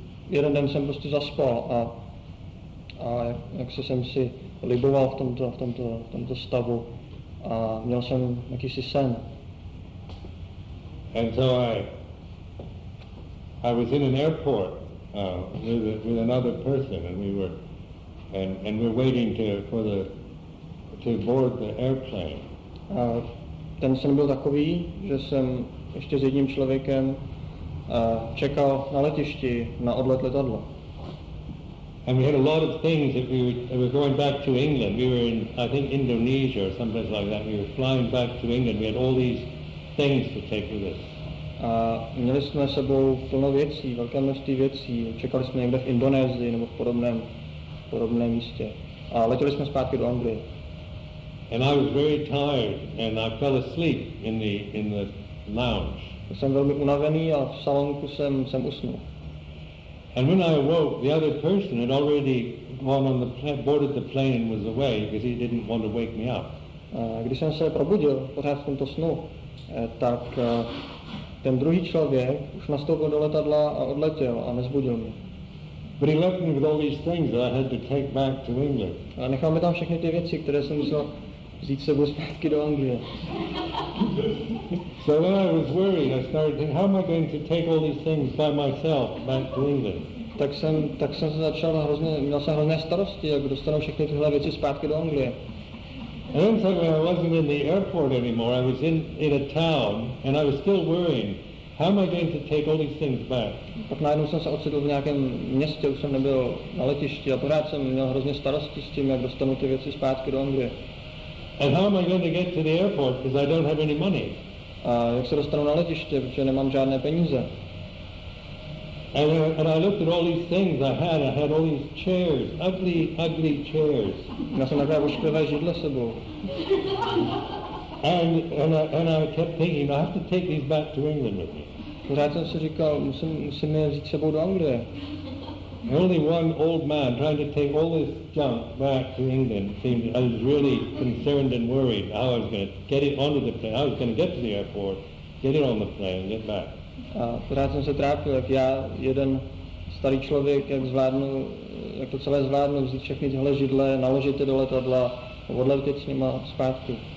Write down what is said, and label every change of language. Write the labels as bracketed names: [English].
[Czech] Jeden den jsem prostě zaspal a jak se jsem si liboval v tomto stavu a měl jsem jakýsi sen. [English] And so I was in an airport with another person, and we were waiting to board the airplane. [Czech] A ten sen byl takový, že jsem ještě s jedním člověkem čekal na letišti na odlet letadla. [English] And we had a lot of things that we were going back to England. We were in, I think, Indonesia or someplace like that. We were flying back to England. We had all these things to take with us. [Czech] A měli jsme s sebou plno věcí, velké množství věcí. Čekali jsme někde v Indonésii nebo v podobném místě. A letěli jsme zpátky do Anglie. [English] And I was very tired and I fell asleep in the lounge. [Czech] Jsem velmi unavený a v salonku jsem usnul. [English] And when I awoke, the other person had already gone on the plane, boarded the plane and was away because he didn't want to wake me up. [Czech] Když jsem se probudil pořád v tomto snu, tak ten druhý člověk už nastoupil do letadla a odletěl a nezbudil mě. [English] But he left me with all these things that I had to take back to England. [Czech] A nechal mi tam všechny ty věci, které jsem musel vzít sebou zpátky do Anglie. [English] So when I was worried, I started thinking, how am I going to take all these things by myself back to England? [Czech] Tak jsem se začal měl jsem hrozné starosti, jak dostanu všechny tyhle věci zpátky do Anglie. [English] And then suddenly I wasn't in the airport anymore. I was in a town, and I was still worrying, how am I going to take all these things back? [Czech] Pak najednou jsem se ocitl v nějakém městě, už jsem nebyl na letišti, a pořád jsem měl hrozně starosti s tím, jak dostanu ty věci zpátky do Anglie. [English] And how am I going to get to the airport because I don't have any money? [Czech] A jak se dostanu na letiště, protože nemám žádné peníze? [English] And I looked at all these things I had all these chairs, ugly chairs. [Czech] Měl jsem takové ošklivé židle sebou. [English] And I kept thinking, I have to take these back to England with me. [Czech] Pořád jsem si říkal, musím je vzít sebou do Anglie. [English] Only one old man trying to take all this junk back to England seemed, I was really concerned and worried how I was going to get it onto the plane, how I was going to get to the airport, get it on the plane and get back. [Czech] A pořád jsem se trápil, jak já, jeden starý člověk, jak to celé zvládnu, vzít všechny tyhle židle, naložit je do letadla, odletět s nima zpátky.